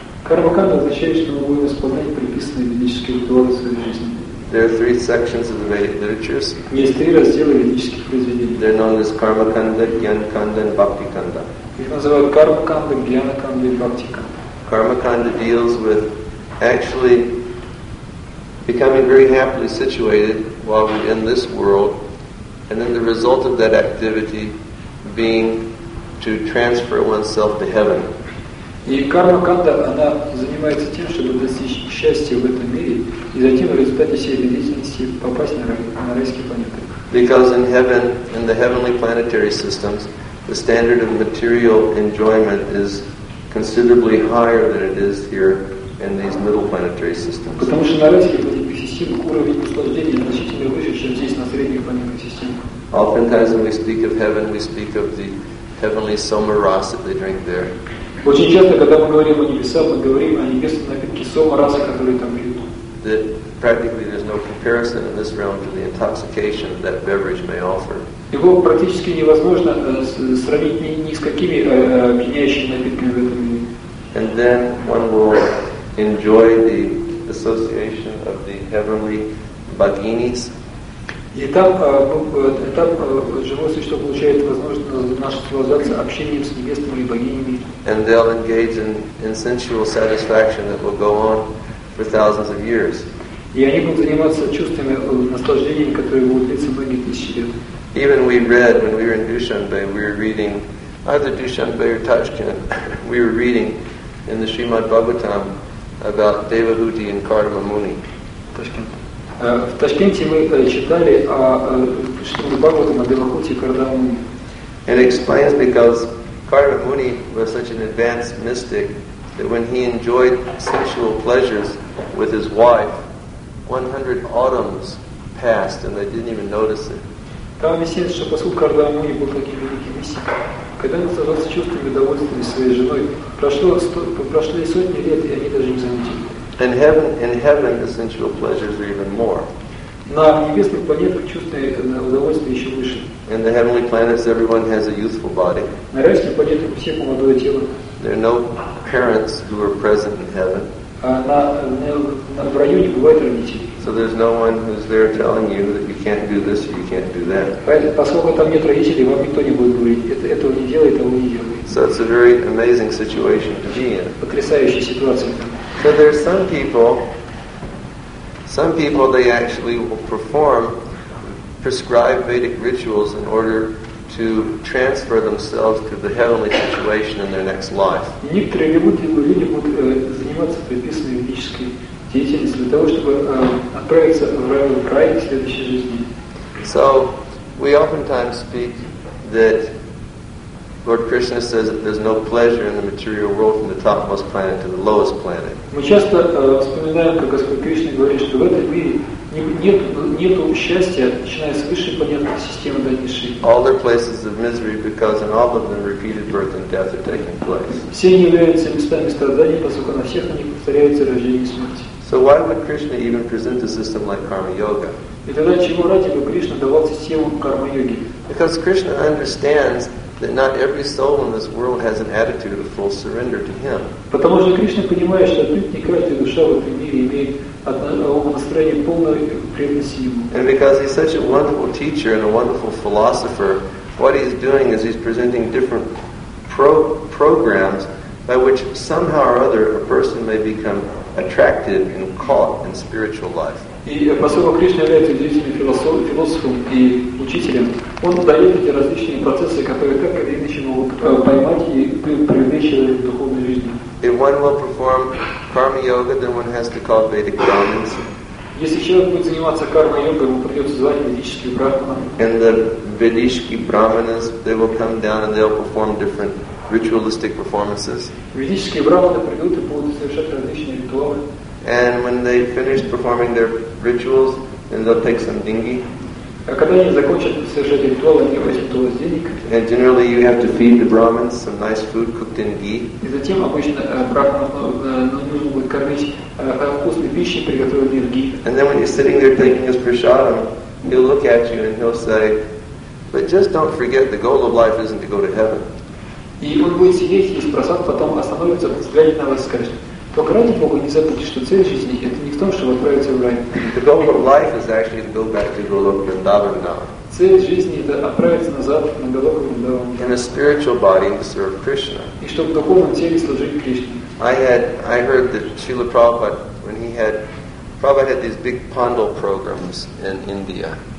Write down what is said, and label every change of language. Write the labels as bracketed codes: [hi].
[ru] Кармаканда означает, что мы будем исполнять предписанные ведические ритуалы в своей жизни. [en] There are three sections of the Vedic literatures. [ru] Есть три раздела ведических произведений. [en] They're known as Кармаканда, Гьянканда, and Бхактиканда. [ru] Их называют Кармаканда, Гьянаканда и Бхактиканда. [en] Кармаканда deals with actually becoming very happily situated while we're in this world, and then the result of that activity being to transfer oneself to heaven. [ru] И карма-канда, она занимается тем, чтобы достичь счастья в этом мире, и затем в результате всей деятельности попасть на райские планеты. [en] Because in heaven, in the heavenly planetary systems, the standard of material enjoyment is considerably higher than it is here in these middle planetary systems. [ru] Потому что на райских планетных системах уровень наслаждения значительно выше, чем здесь, на средних планетных системах. [en] Oftentimes when we speak of heaven, we speak of the heavenly soma rasa that they drink there. [ru] Очень часто, когда мы говорим о небесах, мы говорим о небесном напитке сома раса, который там пьют. [en] That practically there's no comparison in this realm to the intoxication that beverage may offer. [ru] Его практически невозможно сравнить ни с какими опьяняющими напитками в этом мире. [en] And then one will enjoy the association of the heavenly bhaginis. [ru] И там живое существо получает возможность наслаждаться общением с небесными богинями. [en] And they'll engage in sensual satisfaction that will go on for thousands of years. [ru] И они будут заниматься чувствами наслаждения, которые будут длиться многие тысячи лет. [en] Even we read when we were in Dushanbe, we were reading either Dushanbe or Tashkent. We were reading in the Srimad Bhagavatam about Devahuti and Kardama Muni. Tashkent. [ru] В Ташкенте мы читали о Шримад-Бхагаватам, о Девахути и Кардамуни. [en] It explains because Кардамуни was such an advanced mystic that when he enjoyed sensual pleasures with his wife, 100 autumns passed and they didn't even notice it. [ru] Там объясняется, что поскольку Кардамуни был таким великим мистиком, когда он наслаждался чувствами удовольствия своей женой, прошли сотни лет, и они даже не заметили. [en] In heaven, the sensual pleasures are even more. [ru] На небесных планетах чувствуете удовольствие еще выше. [en] In the heavenly planets, everyone has a youthful body. [ru] На райских планетах у всех молодое тело. [en] There are no parents who are present in heaven. [ru] В раю не бывает родителей. [en] So there's no one who's there telling you that you can't do this or you can't do that. [ru] Поскольку там нет родителей, вам никто не будет говорить, этого не делай, этого не делай. [en] So it's a very amazing situation to be in. [ru] Потрясающая ситуация. [en] So there are some people they actually will perform prescribed Vedic rituals in order to transfer themselves to the heavenly situation in their next life. [ru] Некоторые люди будут заниматься предписанной ведической деятельностью для того, чтобы отправиться в рай в следующей жизни. [en] So we oftentimes speak that Lord Krishna says that there's no pleasure in the material world from the topmost planet to the lowest planet. [ru] Мы часто вспоминаем, как Господь Кришна говорит, что в этом мире нету счастья, начиная с высшей планетной системы до низшей. [en] All their places of misery because in all of them repeated birth and death are taking place. [ru] Все являются местами страданий, поскольку на всех они повторяются рождение и смерть. [en] So why would Krishna even present a system like karma yoga? [ru] И тогда чего ради бы Кришна давал систему карма йоги? [en] Because Krishna understands that not every soul in this world has an attitude of full surrender to Him. [ru] Потому что Кришна понимает, что не каждая душа в этом мире имеет настроение полной преданности Ему. [en] And because He's such a wonderful teacher and a wonderful philosopher, what He's doing is He's presenting different programs by which somehow or other a person may become attracted and caught in spiritual life. [ru] И поскольку Кришна является удивительным философом и учителем, Он дает эти различные процессы, которые так или иначе могут поймать и привлечь человека в духовной жизни. [en] If one will perform karma yoga, then one has to call Vedic Brahmins. [ru] Если человек будет заниматься карма йогой, ему придется звать ведические брахманы. [en] And the Vedic Brahmins, they will come down and they'll perform different ritualistic performances. [ru] Ведические брахманы придут и будут совершать различные ритуалы. [en] And when they finish performing their rituals, then they'll take some dinghy. And generally you have to feed the Brahmins some nice food cooked in ghee. And then when you're sitting there taking his prasadam, he'll look at you and he'll say, but just don't forget the goal of life isn't to go to heaven. [ru] И он будет сидеть, есть просад, потом остановится, взглянет на вас и скажет, только ради Бога не забудьте, что цель жизни – это не в том, чтобы отправиться в рай. [en] The goal of life is actually to go back to Goloka Vrindavan now. [ru] Цель жизни – это отправиться назад на Goloka Vrindavan. [en] In a spiritual body to serve Krishna. [ru] И чтобы в духовном теле служить Кришне. [en] I heard that Srila Prabhupada, when he had, Prabhupada had these big Pandal programs in India.